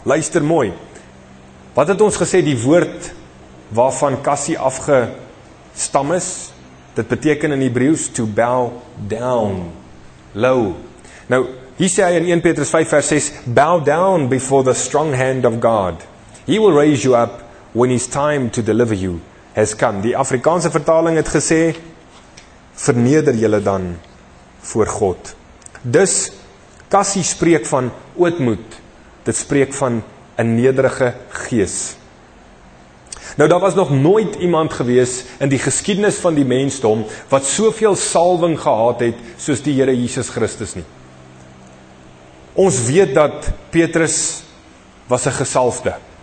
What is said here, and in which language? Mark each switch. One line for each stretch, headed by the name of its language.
Afrikaans: Luister mooi. Wat het ons gesê die woord waarvan Cassie afgestam is? Dit beteken in Hebreeus
English: to bow down, low.
Afrikaans: Nou, hier sê hy in 1 Petrus 5 vers 6,
English: bow down before the strong hand of God. He will raise you up when his time to deliver you has come.
Afrikaans: Die Afrikaanse vertaling het gesê, verneder julle dan voor God. Dus, Cassie spreek van ootmoed. Dit spreek van 'n nederige gees. Nou, daar was nog nooit iemand gewees in die geskiedenis van die mensdom wat soveel salwing gehad het soos die Here Jesus Christus nie. Ons weet dat Petrus was 'n gesalfde.